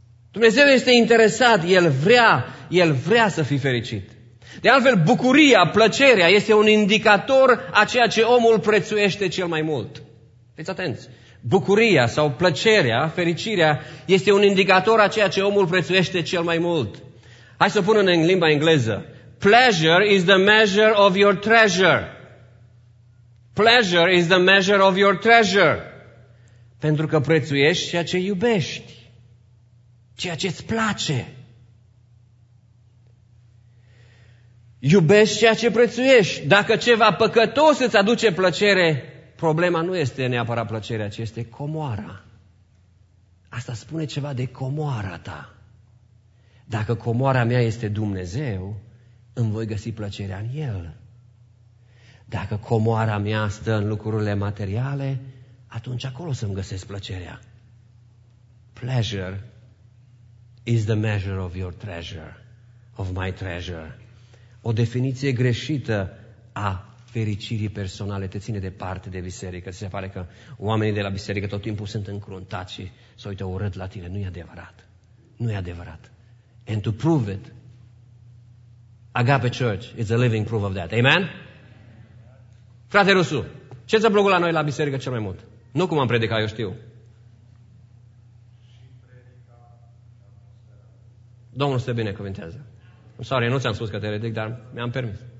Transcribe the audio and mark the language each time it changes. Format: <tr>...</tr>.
<ro>Dumnezeu este interesat. El vrea să fii fericit. De altfel, bucuria, plăcerea este un indicator a ceea ce omul prețuiește cel mai mult. Fiți atenți! Bucuria sau plăcerea, fericirea, este un indicator a ceea ce omul prețuiește cel mai mult. Hai să o punem în limba engleză.</ro> <en>Pleasure is the measure of your treasure. Pleasure is the measure of your treasure.</en> <ro>Pentru că prețuiești ceea ce iubești. Ceea ce îți place. Iubești ceea ce prețuiești. Dacă ceva păcătos îți aduce plăcere, problema nu este neapărat plăcerea, ci este comoara. Asta spune ceva de comoara ta. Dacă comoara mea este Dumnezeu, îmi voi găsi plăcerea în El. Dacă comoara mea stă în lucrurile materiale, atunci acolo să-mi găsesc plăcerea.</ro> <en>Pleasure is the measure of your treasure, of my treasure.</en> <ro>O definiție greșită a fericirii personale te ține departe de biserică. Se pare că oamenii de la biserică tot timpul sunt încruntați și se uită urât la tine. Nu e adevărat.</ro> <en>And to prove it, Agape Church is a living proof of that.</en> <ro>Amen? Frate Rusu, ce ți-a plăcut la noi la biserică cel mai mult? Nu cum am predicat, eu știu. Domnul se binecuvintează. Sorry, nu ți-am spus că te ridic, dar mi-am permis.</ro>